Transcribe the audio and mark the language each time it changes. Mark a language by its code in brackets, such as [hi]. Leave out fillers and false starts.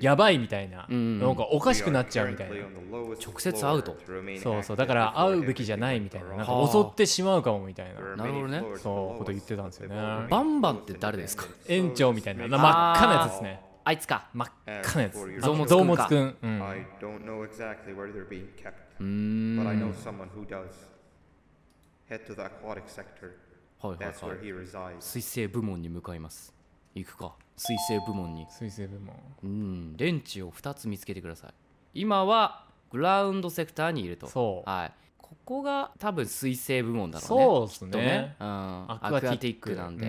[ja] やばいみたいな、うんうん、なんかおかしくなっちゃうみたいな、うん、直接会うと。そうそう、だから会うべきじゃないみたいな、なんか襲ってしまうかもみたいな。なるほどね。そうこと言ってたんですよね。バンバンって誰ですか。園長みたいな、真っ赤なやつですね。あいつか、真っ赤なやつ。ゾウモツ君か。うん、 [en] I don't know exactly where they're being kept. But I know someone who does. Head to the aquatic sector. [ja] はいはいはい。 [en] That's where he resides. [ja] 水生部門に向かいます。行くか。水生部門に。水生部門。うん。レンチを2つ見つけてください。今はグラウンドセクターにいると。そう。はい。ここが多分水生部門だろうね。そうですね。きっとね。うん。アクアティックなんで。